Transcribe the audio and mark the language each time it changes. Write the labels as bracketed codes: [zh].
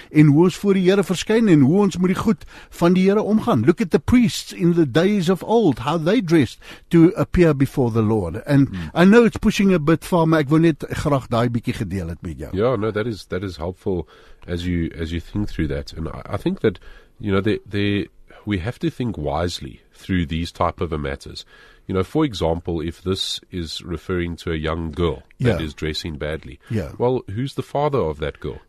[af] En hoe ons voor die Here verskyn en hoe ons met die goed van die Here omgaan. [en] Look at the priests in the days of old, how they dressed to appear before the Lord. And I know it's pushing a bit far, [af] maar ek wil net graag daai bietjie gedeel het met jou. [en] Yeah, no, that is helpful as you think through that. And I think that, you know, we have to think wisely through these type of matters. You know, for example, if this is referring to a young girl that is dressing badly, well, who's the father of that girl?